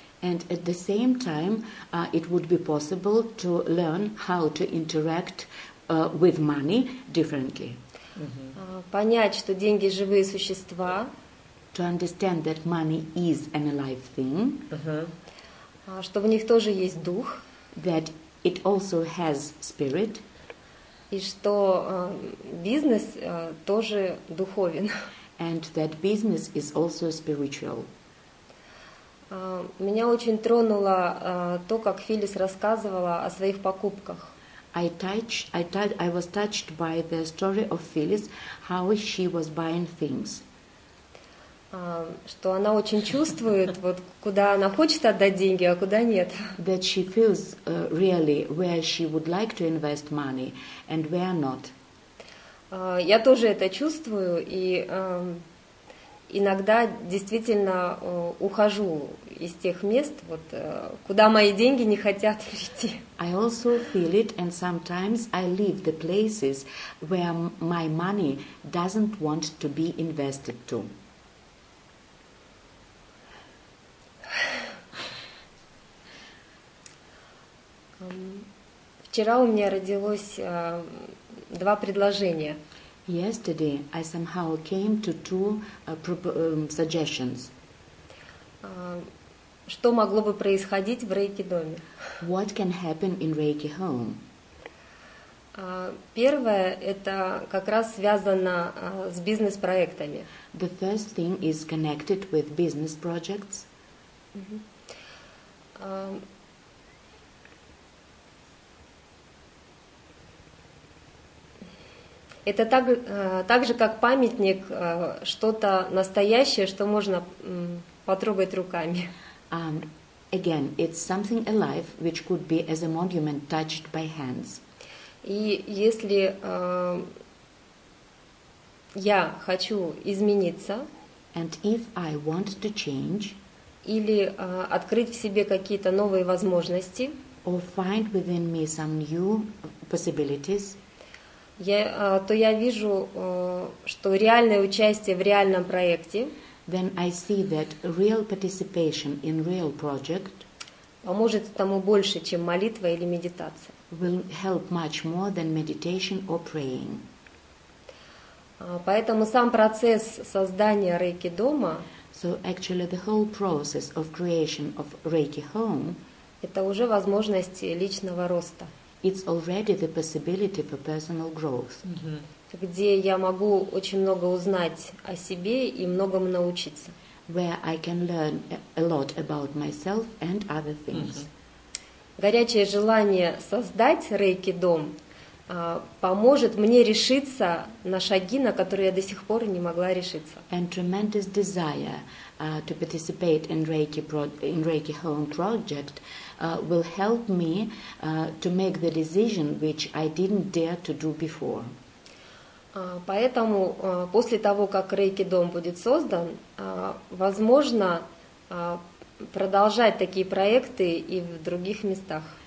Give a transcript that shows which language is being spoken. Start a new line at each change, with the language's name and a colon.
English: And at the same time, it would be possible to learn how to interact with money differently.
Russian: Понять, что деньги живые существа.
English: To understand that money is an alive thing.
Russian: Что в них тоже есть дух.
English: That it also has spirit.
Russian: И что бизнес тоже духовен.
English: And that business is also spiritual.
Russian: Меня очень тронуло то, как Филис рассказывала о своих покупках.
English: I was touched by the story of Phyllis, how she was buying things.
Russian: Что она очень чувствует, вот куда она хочет отдать деньги, а куда нет.
English: That she feels really where she would like to invest money and where not.
Russian: Я тоже это чувствую, и иногда действительно ухожу из тех мест, вот, куда мои деньги не хотят прийти.
English: I also feel it, and sometimes I leave the places where my money doesn't want to be invested to.
Russian: Вчера у меня родилось два предложения.
English: Yesterday I somehow came to two suggestions.
Russian: Что могло бы происходить в рейки-доме?
English: What can happen in Reiki home?
Russian: Первое это как раз связано с бизнес-проектами.
English: The first thing is connected with business projects.
Russian: Это так же, как памятник, что-то настоящее, что можно потрогать руками.
English: Again, it's something alive, which could be as a monument touched by hands.
Russian: И если я хочу измениться,
English: and if I want to change,
Russian: или открыть в себе какие-то новые возможности,
English: or find within me some new possibilities,
Russian: то я вижу, что реальное участие в реальном проекте
English: then I see that real participation in real project
Russian: поможет тому больше, чем молитва или медитация.
English: Will help much more than meditation or praying.
Russian: Поэтому сам процесс создания Рейки дома
English: so actually the whole process of creation of Reiki home
Russian: это уже возможность личного роста.
English: It's already the possibility for personal growth.
Russian: Где я могу очень много узнать о себе и многому научиться.
English: Where I can learn a lot about myself and other things.
Russian: Горячее желание создать Рейки дом поможет мне решиться на шаги, на которые я до сих пор не могла решиться.
English: And tremendous desire to participate in Reiki in Reiki Home project will help me to make the decision which I didn't dare to do before.
Russian: Поэтому после того, как Reiki дом будет создан, возможно продолжать такие проекты и в других местах.